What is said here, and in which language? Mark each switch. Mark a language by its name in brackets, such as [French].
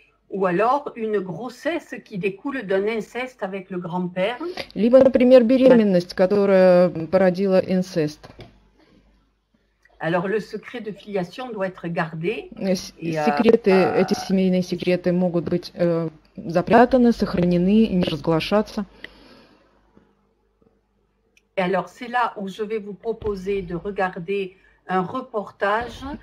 [French] Ou alors une grossesse qui découle d'un inceste avec le grand-père. [Russian] Либо, например, беременность, которая породила инцест. [French] Alors le secret de filiation doit être gardé. Et [Russian] Секреты, эти семейные секреты могут быть запрятаны, сохранены и не разглашаться. [French] alors c'est là où je vais vous proposer de regarder un reportage.